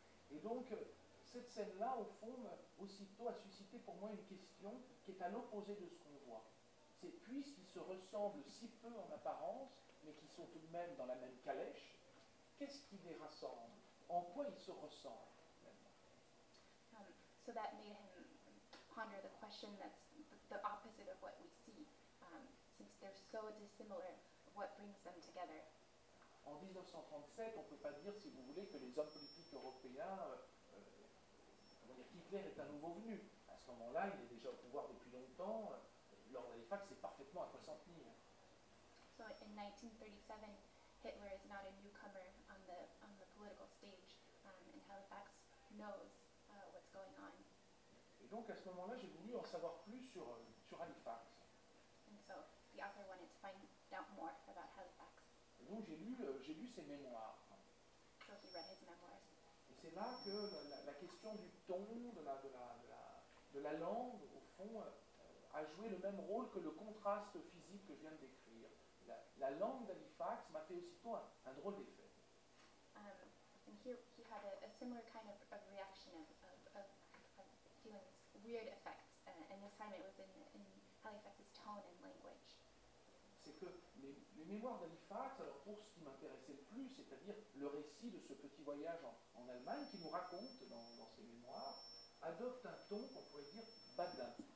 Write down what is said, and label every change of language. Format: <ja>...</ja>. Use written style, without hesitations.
<fr>Et donc, cette scène-là, au fond, aussitôt a suscité pour moi une question qui est à l'opposé de ce qu'on voit. C'est puisqu'ils se ressemblent si peu en apparence, mais qu'ils sont tout de même dans la même calèche, qu'est-ce qui les rassemble? En quoi ils se ressemblent?</fr> <en>So that made him ponder the question that's the opposite of what we see. Since they're so dissimilar, what brings them together?</en> <fr>En 1937, on ne peut pas dire, si vous voulez, que les hommes politiques européens... Hitler est un nouveau venu. À ce moment-là, il est déjà au pouvoir depuis longtemps. L'ordre des facs est parfaitement à quoi s'en tenir.</fr> <en>So in 1937, Hitler is not a newcomer on the political stage, and Halifax knows what's going on.</en> <fr>Et donc à ce moment-là, j'ai voulu en savoir plus sur Halifax.</fr> <en>And so the author wanted to find out more about Halifax.</en> <fr>Et donc j'ai lu ses mémoires.</fr> <en>So he read his memoirs.</en> <fr>Et c'est là que la question du ton, de la langue, au fond, a joué le même rôle que le contraste physique que je viens de décrire. La langue d'Halifax m'a fait aussitôt un drôle d'effet.</fr> <en>And here he had a similar kind of reaction of feeling this weird effect, and this time it was in Halifax's tone and language.</en> <fr>C'est que les mémoires d'Halifax, alors pour ce qui m'intéressait le plus, c'est-à-dire le récit de ce petit voyage en Allemagne qu'il nous raconte dans ses mémoires, adopte un ton qu'on pourrait dire badin.</fr>